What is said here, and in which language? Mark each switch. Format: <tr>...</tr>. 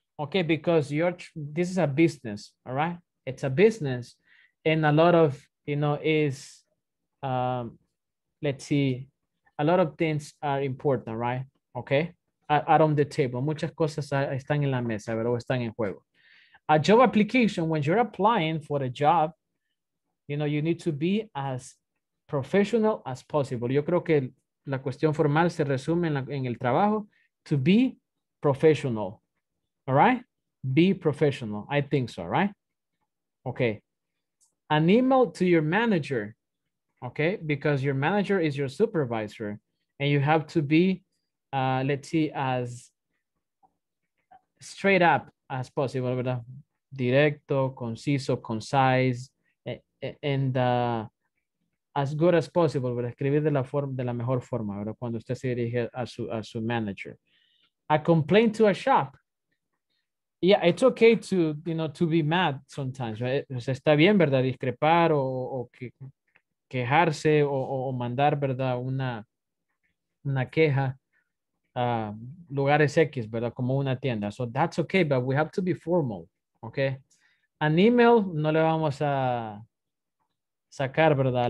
<en>Okay, because this is a business, all right? It's a business, and a lot of, you know, is, let's see, a lot of things are important, right? Okay, out on the table.</en> <es>Muchas cosas están en la mesa, pero están en juego.</es> <en>A job application, when you're applying for a job, you know, you need to be as professional as possible.</en> <es>Yo creo que la cuestión formal se resume en el trabajo.</es> <en>To be professional, all right? Be professional, I think so, right? Okay. An email to your manager, okay? Because your manager is your supervisor and you have to be, let's see, as straight up as possible, ¿verdad? Directo, conciso, concise, and as good as possible, ¿verdad?</en> <es>Escribir de la forma, de la mejor forma, ¿verdad? Cuando usted se dirige a su manager. A complaint to a shop. Yeah, it's okay to, you know, to be mad sometimes, right?</es> <en>O sea, está bien, ¿verdad?</en> <es>Discrepar o quejarse o mandar, ¿verdad? Una queja. Lugares X, ¿verdad? Como una tienda.</es> <en>So that's okay, but we have to be formal, okay?</en> <es>An email, no le vamos a sacar, ¿verdad?</es>